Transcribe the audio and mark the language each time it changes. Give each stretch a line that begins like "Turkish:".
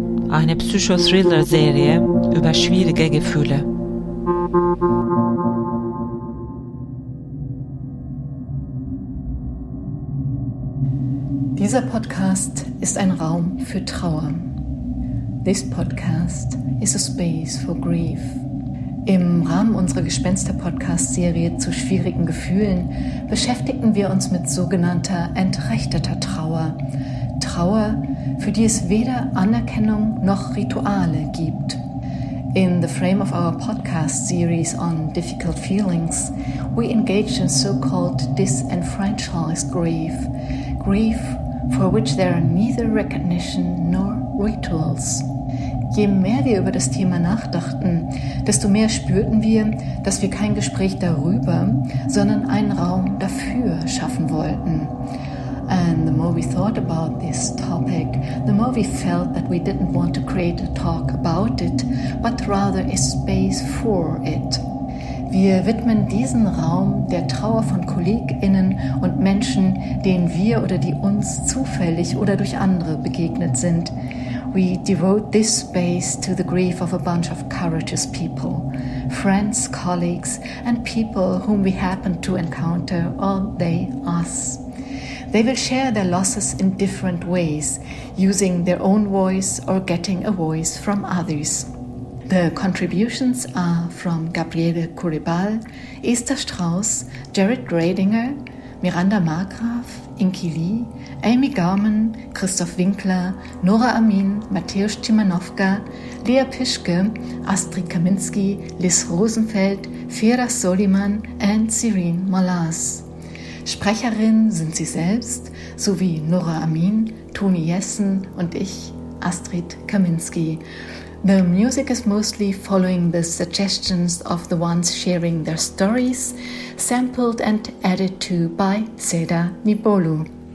German: Eine Psycho-Thriller-Serie über schwierige Gefühle. Dieser Podcast ist ein Raum für Trauer.
English: This podcast is a space for grief.
German: Im Rahmen unserer Gespenster-Podcast-Serie zu schwierigen Gefühlen beschäftigen wir uns mit sogenannter entrechteter Trauer. Trauer, für die es weder Anerkennung noch Rituale gibt.
English: In the frame of our podcast-Series on difficult feelings, we engage in so-called disenfranchised grief. Grief, for which there are neither recognition nor rituals.
German: Je mehr wir über das Thema nachdachten, desto mehr spürten wir, dass wir kein Gespräch darüber, sondern einen Raum dafür schaffen wollten.
English: And the more we thought about this topic, the more we felt that we didn't want to create a talk about it, but rather a space for it.
German: Wir widmen diesen Raum der Trauer von KollegInnen und Menschen, denen wir oder die uns zufällig oder durch andere begegnet sind.
English: We devote this space to the grief of a bunch of courageous people, friends, colleagues, and people whom we happen to encounter, or they us. They will share their losses in different ways, using their own voice or getting a voice from others. The contributions are from Gabriele Kuribal, Esther Strauss, Jared Gradinger, Miranda Markgraf, Inki Lee, Amy Gaumann, Christoph Winkler, Nora Amin, Matthäus Timanowka, Lea Pischke, Astrid Kaminski, Liz Rosenfeld, Fera Soliman und Sirin Molas.
German: Sprecherin sind sie selbst, sowie Nora Amin, Toni Jessen und ich, Astrid Kaminski.
English: The music is mostly following the suggestions of the ones sharing their stories, sampled and added to by Seda Nibolu.